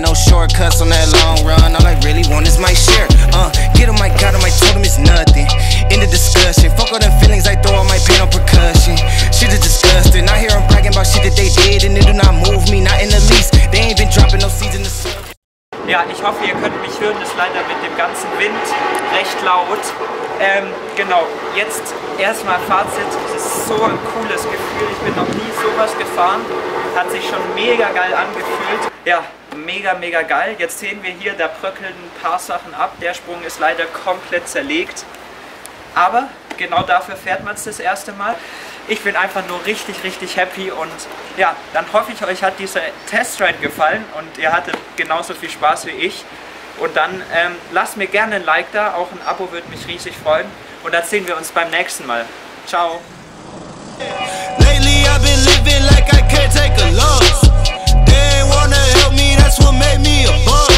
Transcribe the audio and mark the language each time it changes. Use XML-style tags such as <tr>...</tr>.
<en>No shortcuts on that long run. All I really want is my share. Get on my god, on my totem is nothing. End of discussion. Fuck all them feelings, I throw all my pain on percussion. Shit is disgusting. I hear them bragging about shit that they did, and it do not move me, not in the least. They ain't been dropping no seeds in the sun.</en> <de>Ja, ich hoffe, ihr könnt mich hören. Das ist leider mit dem ganzen Wind recht laut. Genau, jetzt erstmal Fazit. Das ist so ein cooles Gefühl. Ich bin noch nie sowas gefahren. Hat sich schon mega geil angefühlt. Ja, mega, mega geil. Jetzt sehen wir hier, da bröckeln ein paar Sachen ab. Der Sprung ist leider komplett zerlegt. Aber genau dafür fährt man es das erste Mal. Ich bin einfach nur richtig, richtig happy und ja, dann hoffe ich, euch hat dieser Testride gefallen und ihr hattet genauso viel Spaß wie ich. Und dann lasst mir gerne ein Like da, auch ein Abo würde mich riesig freuen. Und dann sehen wir uns beim nächsten Mal. Ciao.</de> <en>Lately I've been living like I can't take a loss. They ain't wanna help me, that's what made me a boss.</en>